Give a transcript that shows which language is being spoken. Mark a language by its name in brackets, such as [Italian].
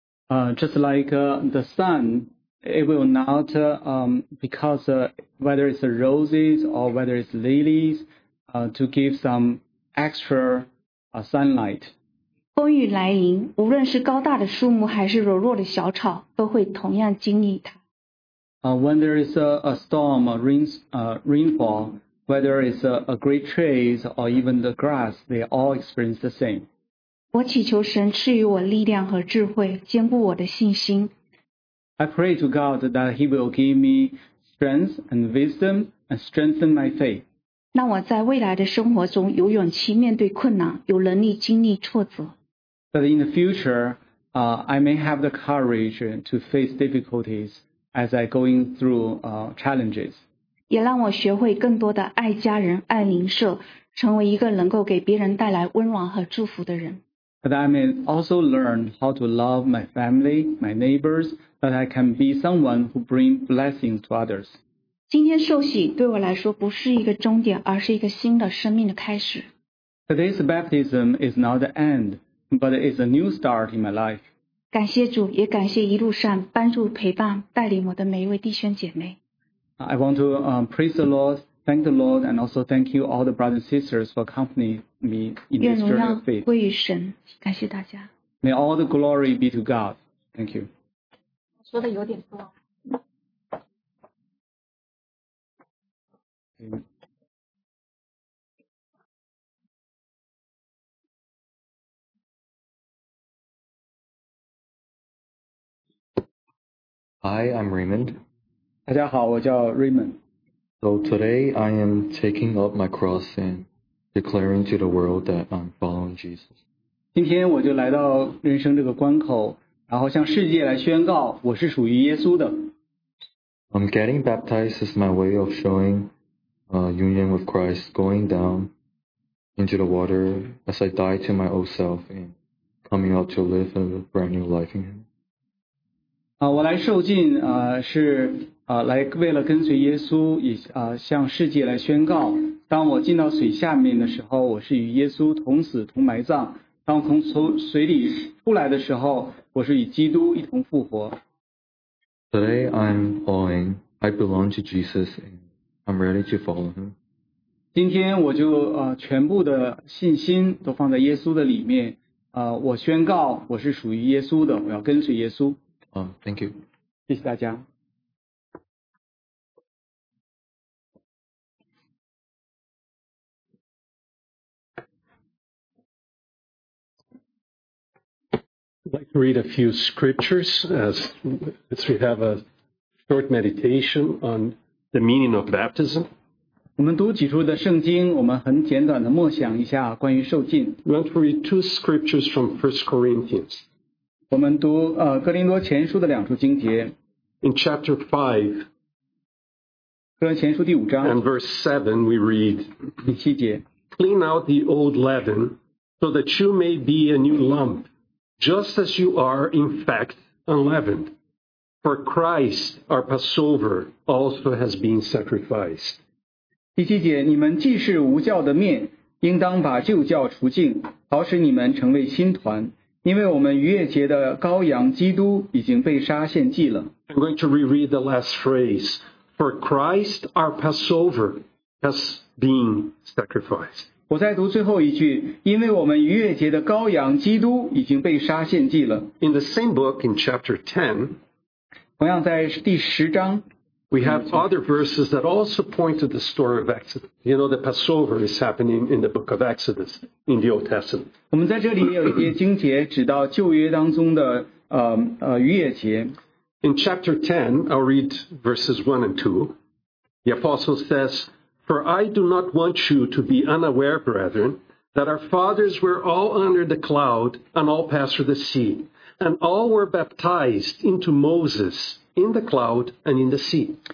[English] Just like the sun, it will not because whether it's roses or whether it's lilies to give some extra sunlight. [Chinese] 风雨来临，无论是高大的树木还是柔弱的小草，都会同样经历它。 [English] When there is a storm, rainfall. Whether it's a great trees or even the grass, they all experience the same. [Chinese] 我祈求神赐予我力量和智慧，坚固我的信心。 [English] I pray to God that He will give me strength and wisdom and strengthen my faith. [Chinese] 让我在未来的生活中有勇气面对困难，有能力经历挫折。 [English] But in the future, I may have the courage to face difficulties as I going through challenges. [Chinese] 也让我学会更多的爱家人、爱邻舍，成为一个能够给别人带来温暖和祝福的人。 [English] But I may also learn how to love my family, my neighbors, that I can be someone who brings blessings to others. [Chinese] 今天受洗对我来说不是一个终点，而是一个新的生命的开始。 [English] Today's baptism is not the end, but it's a new start in my life. [Chinese] 感谢主，也感谢一路上帮助、陪伴、带领我的每一位弟兄姐妹。 [English] I want to praise the Lord, thank the Lord, and also thank you all the brothers and sisters for accompanying me in this journey of faith. [Chinese] 愿荣耀归于神，感谢大家。 [English] May all the glory be to God. Thank you. [Chinese] 说的有点多。 [English] Hi, I'm Raymond. [Chinese] 大家好，我叫 Raymond。 [English] So today I am taking up my cross and declaring to the world that I'm following Jesus. [Chinese] 今天我就来到人生这个关口，然后向世界来宣告我是属于耶稣的。 [English] Getting baptized is my way of showing union with Christ, going down into the water as I die to my old self and coming out to live a brand new life in Him. [Chinese] 我来受浸是。来为了跟随耶稣以向世界来宣告，当我进到水下面的时候，我是与耶稣同死同埋葬，当从水里出来的时候，我是与基督一同复活。 [English] Today I'm all in, I belong to Jesus and I'm ready to follow him. [Chinese] 今天我就全部的信心都放在耶稣的里面，我宣告我是属于耶稣的，我要跟随耶稣。 [English] Thank you. [Chinese] 谢谢大家。 [English] I'd like to read a few scriptures as we have a short meditation on the meaning of baptism. [Chinese] 我们读几处的圣经，我们很简短的默想一下关于受浸。 [English] I want to read two scriptures from 1 Corinthians. [Chinese] 我们读哥林多前书的两处经节。 [English] In chapter 5, [Chinese] 哥林前书第五章。 [English] And verse 7 we read, [Chinese] 第七节。 [English] Clean out the old leaven so that you may be a new lump. Just as you are, in fact, unleavened. For Christ, our Passover, also has been sacrificed. [Chinese] 第七节，你们既是无酵的面，应当把旧酵除净，好使你们成为新团。因为我们逾越节的羔羊基督已经被杀献祭了。 [English] I'm going to reread the last phrase. For Christ, our Passover, has been sacrificed. [Chinese] 我再读最后一句，因为我们逾越节的羔羊基督已经被杀献祭了。 [English] In the same book, in chapter 10, [Chinese] 同样在第十章 [English] we have other verses that also point to the story of Exodus. You know, the Passover is happening in the book of Exodus, in the Old Testament. [Chinese] 我们在这里也有一些经节指到旧约当中的逾越节。 [English] In chapter 10, I'll read verses 1 and 2. The apostle says, For I do not want you to be unaware, brethren, that our fathers were all under the cloud and all passed through the sea, and all were baptized into Moses in the cloud and in the sea.